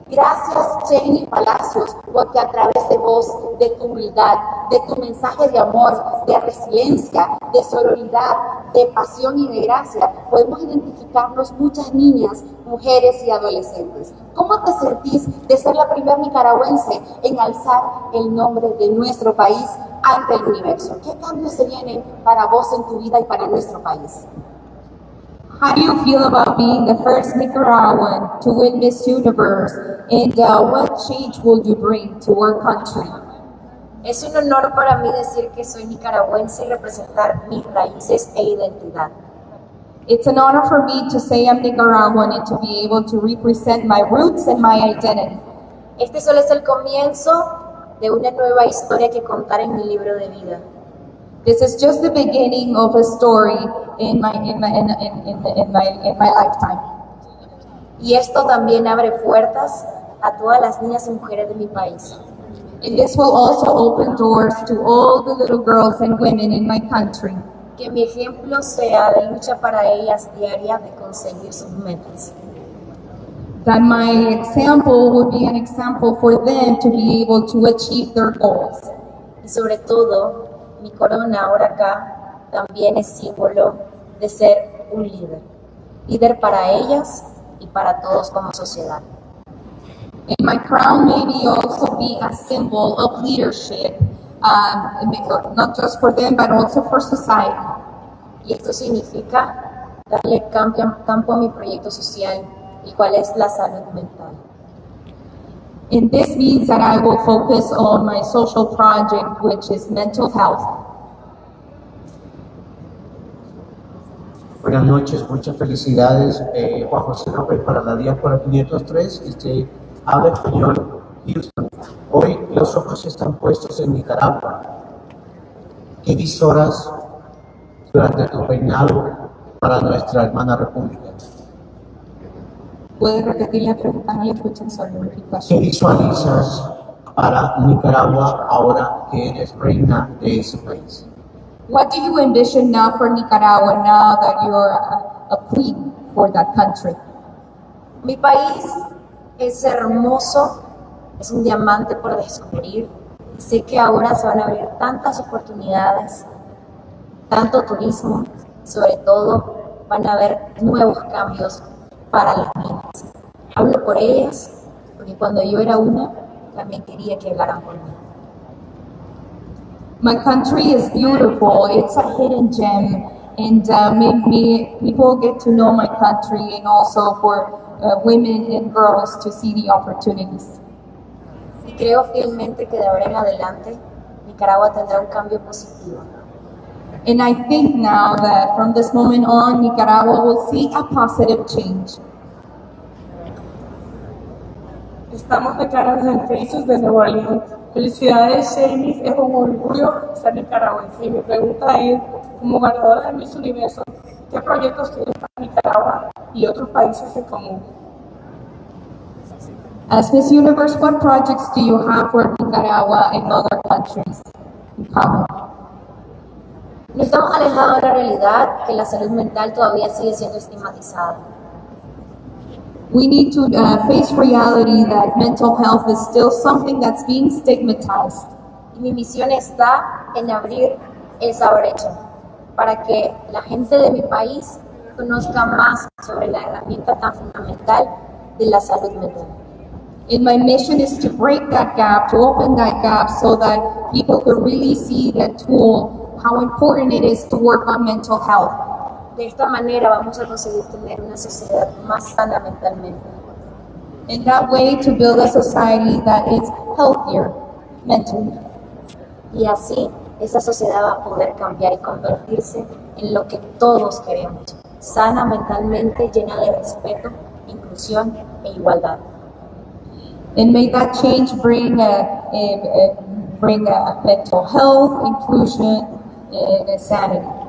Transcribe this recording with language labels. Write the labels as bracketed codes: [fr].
[es] Gracias, Jenny Palacios, porque a través de vos, de tu humildad, de tu mensaje de amor, de resiliencia, de sororidad, de pasión y de gracia, podemos identificarnos muchas niñas, mujeres y adolescentes. ¿Cómo te sentís de ser la primera nicaragüense en alzar el nombre de nuestro país ante el universo? ¿Qué cambios se vienen para vos en tu vida y para nuestro país? [en] How do you feel about being the first Nicaraguan to win Miss Universe, and what change will you bring to our country? [es] Es un honor para mí decir que soy nicaragüense y representar mis raíces e identidad. [en] It's an honor for me to say I'm Nicaraguan and to be able to represent my roots and my identity. [es] Este solo es el comienzo de una nueva historia que contar en mi libro de vida. [en] This is just the beginning of a story in my lifetime. [es] Y esto también abre puertas a todas las niñas y mujeres de mi país. [en] And this will also open doors to all the little girls and women in my country. [es] Que mi ejemplo sea de lucha para ellas diaria de conseguir sus metas. [en] That my example would be an example for them to be able to achieve their goals. [es] Y sobre todo, mi corona ahora acá también es símbolo de ser un líder. Líder para ellas y para todos como sociedad. [en] And my crown maybe also be a symbol of leadership, not just for them, but also for society. [es] Y esto significa darle campo a mi proyecto social, y cuál es la salud mental. [en] And this means that I will focus on my social project, which is mental health. [es] Buenas noches, muchas felicidades, Juan José López, para la diáspora 503, habla español, Houston. Hoy los ojos están puestos en Nicaragua. ¿Qué visoras durante tu reinado para nuestra hermana república. ¿Puedes repetir la pregunta? No la escuché solo. ¿Qué visualizas para Nicaragua ahora que eres reina de ese país? [en] What do you envision now for Nicaragua, now that you're a queen for that country? [es] Mi país es hermoso, es un diamante por descubrir. Sé que ahora se van a abrir tantas oportunidades, tanto turismo, sobre todo van a haber nuevos cambios para las niñas. Hablo por ellas, porque cuando yo era una, también quería que hablaran por mí. [en] My country is beautiful, it's a hidden gem, and people get to know my country, and also for women and girls to see the opportunities. [es] Y creo fielmente que de ahora en adelante, Nicaragua tendrá un cambio positivo. [en] And I think now that from this moment on, Nicaragua will see a positive change. [es] Estamos declarados en Facebook de Nuevo León. Felicidades, Shemis. Es un orgullo ser nicaragüense. Y mi pregunta es, como ganadora de Miss Universo, ¿qué proyectos tienes para Nicaragua y otros países en común? [en] As Miss Universe, what projects do you have for Nicaragua and other countries in common? [es] No estamos alejados de la realidad que la salud mental todavía sigue siendo estigmatizada. [en] We need to face reality that mental health is still something that's being stigmatized. [es] Y mi misión está en abrir esa brecha para que la gente de mi país conozca más sobre la herramienta tan fundamental de la salud mental. [en] And my mission is to break that gap, to open that gap so that people can really see that tool, how important it is to work on mental health. [es] De esta manera vamos a conseguir tener una sociedad más sana mentalmente. [en] In that way to build a society that is healthier mentally. [es] Y así, esa sociedad va a poder cambiar y convertirse en lo que todos queremos. Sana mentalmente, llena de respeto, inclusión e igualdad. [en] And may that change bring mental health, inclusion, and sanity.